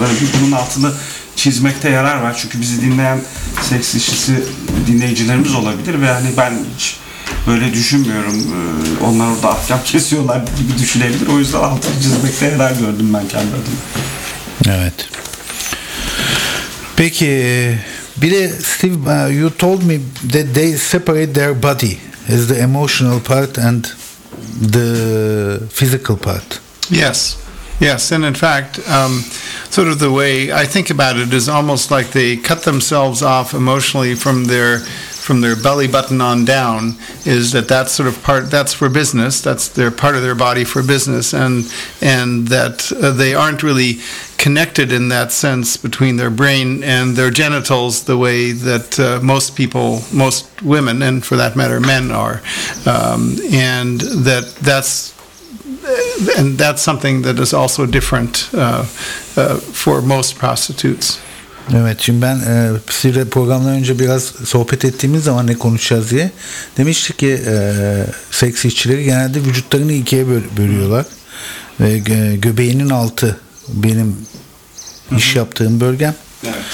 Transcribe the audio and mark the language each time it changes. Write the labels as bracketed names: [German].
[Turkish] Yani biz bunun altını çizmekte yarar var. Çünkü bizi dinleyen seks işçisi dinleyicilerimiz olabilir ve hani ben hiç böyle düşünmüyorum. Onlar orada ahkam kesiyorlar gibi düşünebilir. O yüzden altını çizmekte yarar gördüm ben kendi adıma. Evet. Peki bir de [English] Steve, you told me that they separate their body as the emotional part and the physical part. Yes, yes, and in fact, sort of the way I think about it is almost like they cut themselves off emotionally from their belly button on down. Is that sort of part that's for business? That's their part of their body for business, and that they aren't really connected in that sense between their brain and their genitals the way that most people, most women, and for that matter men are, and that's something that is also different for most prostitutes. [Turkish] Evet, şimdi ben sizinle programdan önce biraz sohbet ettiğimiz zaman ne konuşacağız diye demiştik ki seks işçileri genelde vücutlarını ikiye bölüyorlar ve göbeğinin altı benim iş yaptığım bölgem. Evet.